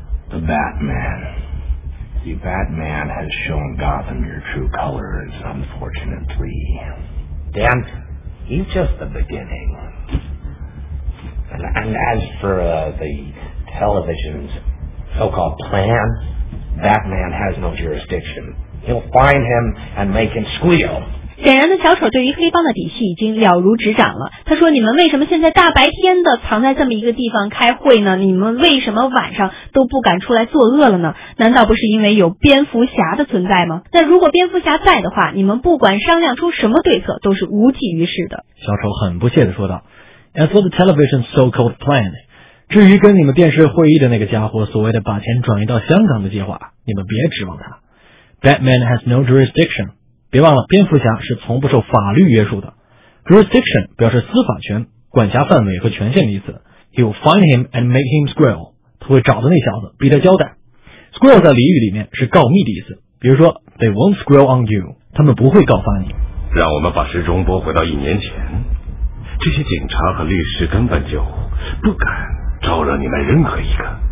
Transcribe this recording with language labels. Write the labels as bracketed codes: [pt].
[en] The Batman. The Batman has shown Gotham your true colors, unfortunately. Dent, he's just the beginning. And as for the television's so-called plan... Batman has no jurisdiction. He'll find him and make him squeal. [zh] 显然的，小丑对于黑帮的底细已经了如指掌了。他说，你们为什么现在大白天的藏在这么一个地方开会呢？你们为什么晚上都不敢出来作恶了呢？难道不是因为有蝙蝠侠的存在吗？那如果蝙蝠侠在的话，你们不管商量出什么对策都是无济于事的。小丑很不屑地说道， As for the television's so-called plan, 至于跟你们电视会议的那个家伙所谓的把钱转移到香港的计划，你们别指望他。 Batman has no jurisdiction，别忘了蝙蝠侠是从不受法律约束的。 Jurisdiction 表示司法权、管辖范围和权限的意思。 He will find him and make him squeal，他会找到那小子逼他交代。 Squeal 在俚语里面是告密的意思，比如说 They won't squeal on you，他们不会告发你。让我们把时钟拨回到一年前，这些警察和律师根本就不敢招惹你们任何一个。